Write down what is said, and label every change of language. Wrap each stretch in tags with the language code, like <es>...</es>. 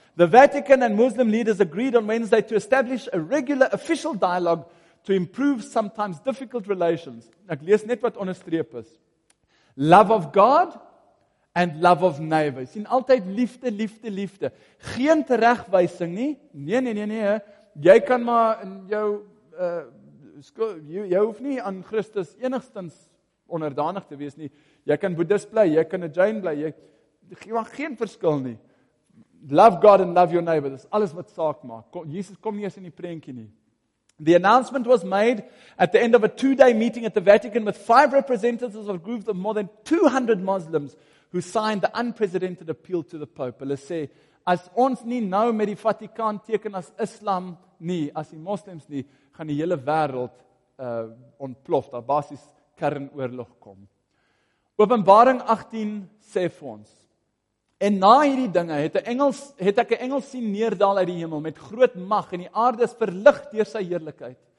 <en>The Vatican and Muslim leaders agreed on Wednesday to establish a regular official dialogue to improve sometimes difficult relations.</en> <af>Ek lees net wat onderstreep is.</af> <en>Love of God and love of neighbor.</en> <af>Sien, altyd liefde, liefde, liefde. Geen teregwysing nie. Nee. Jy kan maar in jou, jy hoef nie aan Christus enigstens onderdanig te wees nie. Jy kan boeddhis bly, jy kan 'n jain bly, jy maak geen verskil nie.</af> <en>Love God and love your neighbor.</en> <af>Dis alles wat saak maak. Jesus kom nie eens in die prentjie nie.</af> <en>The announcement was made at the end of a 2-day meeting at the Vatican with 5 representatives of groups of more than 200 Muslims who signed the unprecedented appeal to the Pope.</en> <af>Hulle sê, as ons nie nou met die Vatikaan teken as Islam nie, as die Moslems nie, gaan die hele wêreld ontplof, daar basies kernoorlog kom. Openbaring 18 sê vir ons, en na hierdie dinge het ek 'n engel sien neerdaal uit die hemel met groot mag, en die aarde is verlig deur sy heerlikheid.</af>